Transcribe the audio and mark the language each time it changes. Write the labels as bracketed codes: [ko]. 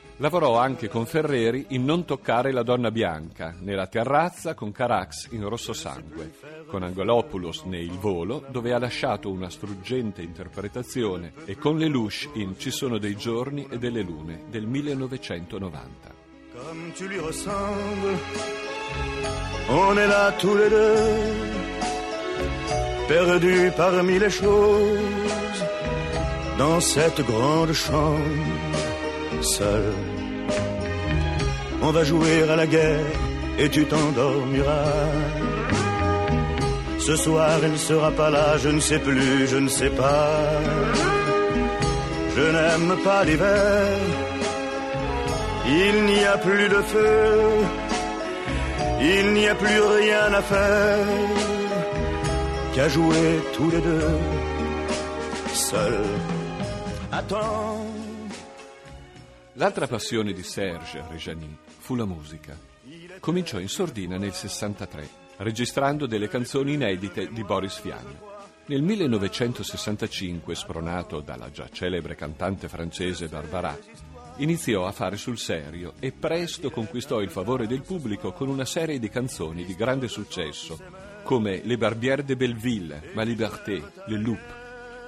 [it] Lavorò anche con Ferreri in Non toccare la donna bianca, nella Terrazza con Carax in Rosso sangue, con Angelopoulos ne Il volo, dove ha lasciato una struggente interpretazione, e con Lelouch in Ci sono dei giorni e delle lune del 1990. [fr] Comme tu lui ressembles, on est là tous les deux, perdus parmi les choses, dans cette grande chambre, seul. On va jouer à la guerre et tu t'endormiras. Ce soir il ne sera pas là, je ne sais plus, je ne sais pas. Je n'aime pas l'hiver. Il n'y a plus de feu, il n'y a plus rien à faire qu'à jouer tous les deux, seuls. Attends. [it] L'altra passione di Serge Reggiani fu la musica. Cominciò in sordina nel 63, registrando delle canzoni inedite di Boris Vian. Nel 1965, spronato dalla già celebre cantante francese Barbara, iniziò a fare sul serio e presto conquistò il favore del pubblico con una serie di canzoni di grande successo, come Les Barbières de Belleville, Ma Liberté, Le Loup.